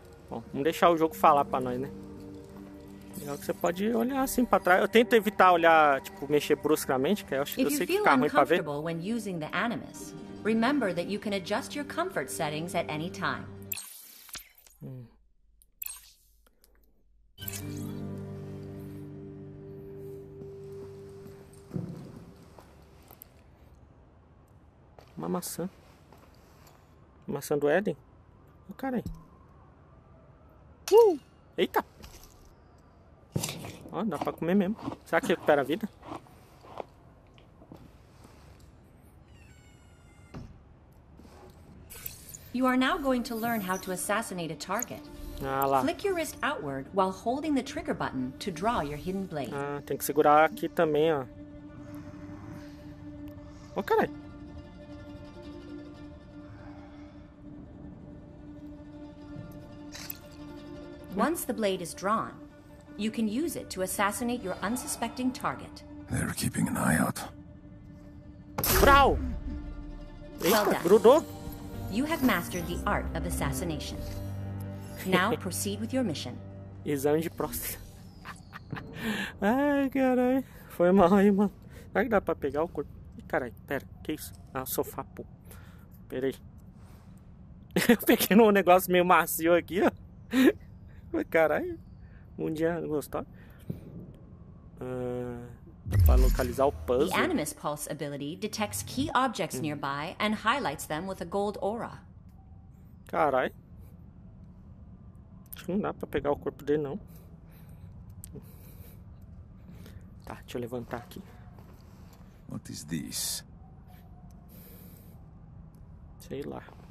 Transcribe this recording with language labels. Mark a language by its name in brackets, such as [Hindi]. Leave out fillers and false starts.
[Portuguese] Bom, vamos deixar o jogo falar pra nós, né? Melhor que você pode olhar assim pra trás. Eu tento evitar olhar, tipo, mexer bruscamente, que eu acho que eu sei que fica ruim pra ver. [English] When using the Animus, remember that you can adjust your comfort settings at any time. [Portuguese] Uma maçã. Maçã do Éden? O cara aí. Eita! Ó, dá pra comer mesmo. Será que recupera a vida? [English] You are now going to learn how to assassinate a target. [Portuguese] Ah, lá. [English] Flick your wrist outward while holding the trigger button to draw your hidden blade. [Portuguese] Ah, tem que segurar aqui também, ó. Ô, caralho. [English] Once the blade is drawn, you can use it to assassinate your unsuspecting target. They're keeping an eye out. Brau! [Portuguese] Eita, well done. Grudou. [English] You have mastered the art of assassination. Now proceed with your mission. [Portuguese] Exame de próstata. Ai, caralho. Foi mal aí, mano. Será que dá pra pegar o corpo? Caralho, pera. Que isso? Ah, sofá, pô. Pera aí. Eu peguei num negócio meio macio aqui, ó. Caralho. Um dia gostou. Pra localizar o puzzle. [English] The Animus Pulse ability detects key objects nearby and highlights them with a gold aura. [Portuguese] Carai. Acho que não dá pra pegar o corpo dele, não. Tá, deixa eu levantar aqui. [English] What is this? [Portuguese] Sei lá.